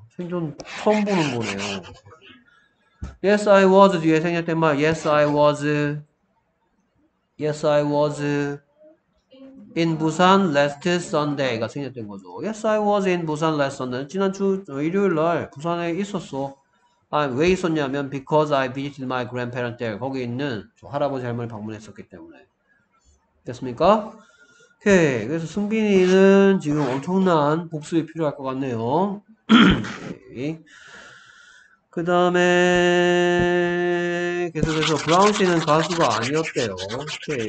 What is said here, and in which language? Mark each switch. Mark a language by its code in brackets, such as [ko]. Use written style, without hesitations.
[ko] 생전 처음 보는 거네요. [en] Yes, I was [ko] 뒤에 생략된 말 Yes, I was. [en] Yes, I was in Busan last Sunday가 [ko] 생략된 거죠. [en] Yes, I was in Busan last Sunday. [ko] 지난주 일요일 날 부산에 있었어. 아, 왜 있었냐면, [en] because I visited my grandparents there. [ko] 거기 있는 저 할아버지 할머니 방문했었기 때문에. 됐습니까? 오케이. 그래서 승빈이는 지금 엄청난 복습이 필요할 것 같네요. 그 다음에, 계속해서 브라운 씨는 가수가 아니었대요. 오케이.